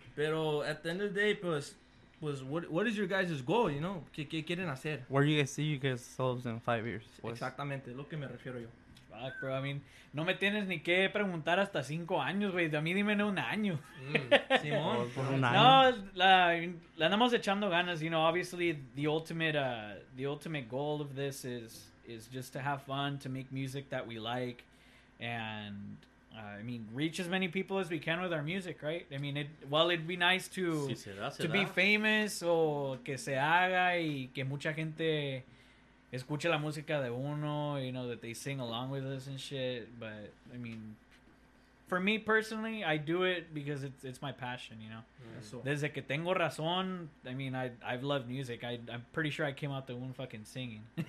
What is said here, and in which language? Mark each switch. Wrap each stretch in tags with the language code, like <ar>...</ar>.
<en>Pero at the end of the day, pues what is your guys' goal, you know?</en> <es>¿Qué quieren hacer?</es> <en>Where you guys see you guys selves in 5 years?</en> <es>Pues. Exactamente, es lo que me refiero yo.</es> <en>Fuck, bro, I mean,</en> <es>no me tienes ni que preguntar hasta 5 años, güey. A mí dime en un año. Simón. ¿Por un año? No, la andamos echando ganas.</es> <en>You know, obviously, the ultimate goal of this is just to have fun, to make music that we like. And, I mean, reach as many people as we can with our music, right? I mean, it'd be nice to,</en> <es>se da.</es> <en>Be famous</en> <es>o que se haga y que mucha gente... Escucha la música de uno,</es> <en>you know, that they sing along with us and shit. But, I mean, for me personally, I do it because it's my passion, you know. Mm.</en> <es>Desde que tengo razón,</es> <en>I mean, I've loved music. I'm pretty sure I came out the womb fucking singing.</en>